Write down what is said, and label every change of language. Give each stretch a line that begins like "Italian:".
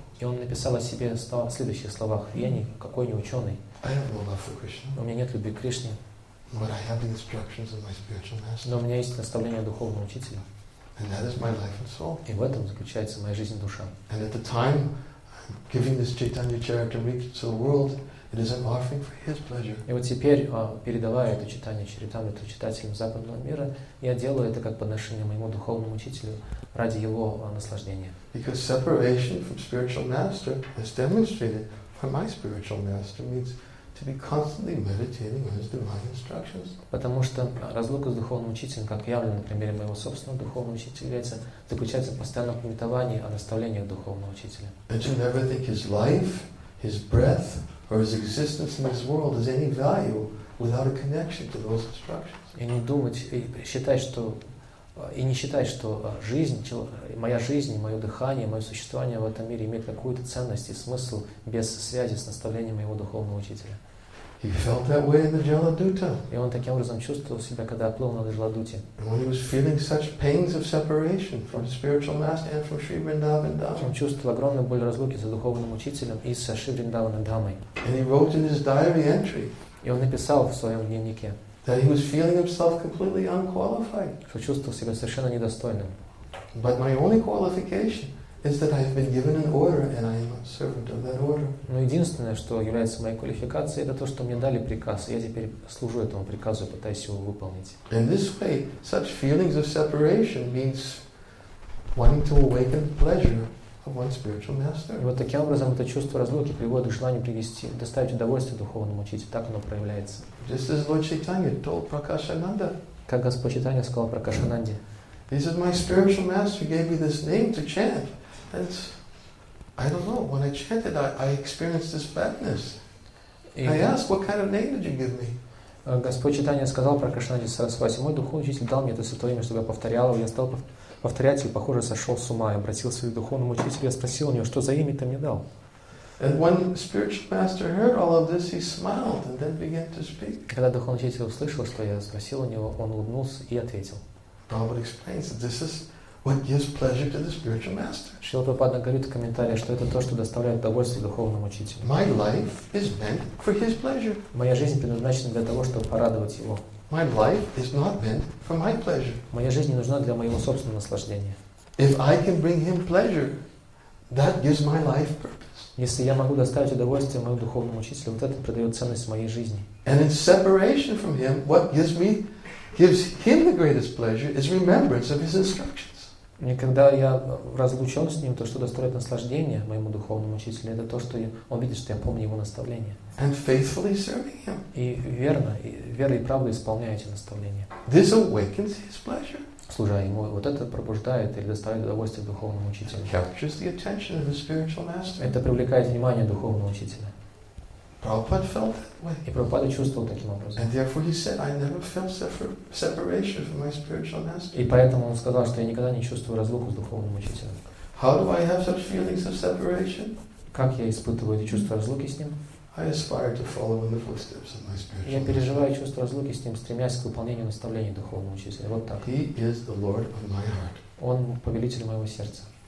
Russian: И он написал о себе в следующих словах, я никакой не ученый.
English: I have no love for Krishna.
Russian: У меня нет любви к Кришне.
English: But I have the instructions of my spiritual master.
Russian: Но у меня есть наставление духовного учителя.
English: And that is my life and soul.
Russian: И в этом заключается моя жизнь и душа.
English: And at the time, I'm giving this Chaitanya Charitamrita to the world. It is an offering for his pleasure.
Russian: И вот теперь, передавая это читание Чаритамриту читателям западного мира, я делаю это как подношение моему духовному учителю ради его наслаждения.
English: Because separation from spiritual master, as demonstrated by my spiritual master, means to be constantly meditating on his divine instructions.
Russian: Потому что разлука с духовным учителем, как явлено на примере моего собственного духовного учителя, заключается в постоянном медитировании о наставлениях духовного учителя.
English: And to never think his life, his breath, or his existence in this world has any value without a connection to those instructions.
Russian: И не думать, и не считать, что жизнь, моя жизнь, мое дыхание, мое существование в этом мире имеет какую-то ценность и смысл без связи с наставлением моего духовного учителя.
English: He felt that way in the Jaladuta.
Russian: И он таким образом чувствовал себя, когда плыл на Джаладуте.
English: And when he was feeling such pains of separation from the spiritual master and from Sri Vrindavan Dham.
Russian: Он чувствовал огромную боль разлуки за духовным учителем и со Шри Вриндаваном Дхамой.
English: And he wrote in his diary entry.
Russian: И он написал в своем дневнике.
English: That he was feeling himself completely unqualified.
Russian: Что чувствовал себя совершенно недостойным.
English: But my only qualification is that I have been given an order and I am a servant of that order.
Russian: Но единственное, что является моей квалификацией, это то, что мне дали приказ, и я теперь служу этому приказу и пытаюсь его выполнить.
English: In this way, such feelings of separation means wanting to awaken pleasure one spiritual master.
Russian: И вот таким образом это чувство разлуки приводит к желанию привести, доставить удовольствие духовному учителю. Так оно проявляется.
English: Just as Lord Chaitanya told Prakashananda.
Russian: Как Господь Чайтанья сказал Пракашананде.
English: He said, my spiritual master gave me this name to chant. That's, I don't know, when I chanted, I experienced this badness. I asked, what kind of name did you give me?
Russian: Господь Чайтанья сказал Пракашананде Сарасвати, мой духовный учитель дал мне это святое имя, чтобы я повторял его. Я стал повторять его, похоже, сошел с ума. Я обратился к духовному учителю, я спросил у него, что за имя ты мне дал?
English: And when spiritual master heard all of this, he smiled and then began to speak.
Russian: Когда духовный учитель услышал, что я спросил у него, он улыбнулся и ответил.
English: Prabhupada explains that this is what gives pleasure to the spiritual master.
Russian: Шрила Прабхупада говорит в комментариях, что это то, что доставляет удовольствие духовному учителю.
English: My life is meant for his pleasure.
Russian: Моя жизнь предназначена для того, чтобы порадовать его.
English: My life is not meant for my pleasure.
Russian: Моя жизнь не нужна для моего собственного наслаждения.
English: If I can bring him pleasure, that gives my life purpose.
Russian: Если я могу доставить удовольствие моему духовному учителю, вот это придает ценность моей жизни.
English: And in separation from him, what gives him the greatest pleasure is remembrance of his instructions.
Russian: И когда я разлучен с ним, то, что доставляет наслаждение моему духовному учителю, это то, что он видит, что я помню его наставления.
English: And faithfully serving him.
Russian: И верно, и верой и правдой исполняю эти наставления.
English: This awakens his pleasure.
Russian: Служа ему, вот это пробуждает или доставляет удовольствие духовному учителю.
English: Captures the attention of the spiritual master.
Russian: Это привлекает внимание духовного учителя.
English: Prabhupada felt that way.
Russian: И Прабхупада чувствовал таким образом.
English: And therefore he said, I never felt separation from my spiritual master.
Russian: И поэтому он сказал, что я никогда не чувствую разлуку с духовным учителем.
English: How do I have such feelings of separation?
Russian: Как я испытываю эти чувства разлуки с ним?
English: I aspire to follow in the footsteps of my spiritual master.
Russian: Я переживаю чувство разлуки с ним, стремясь к выполнению наставлений духовного учителя. Вот так.
English: He is the Lord of my heart.
Russian: Он повелитель моего сердца.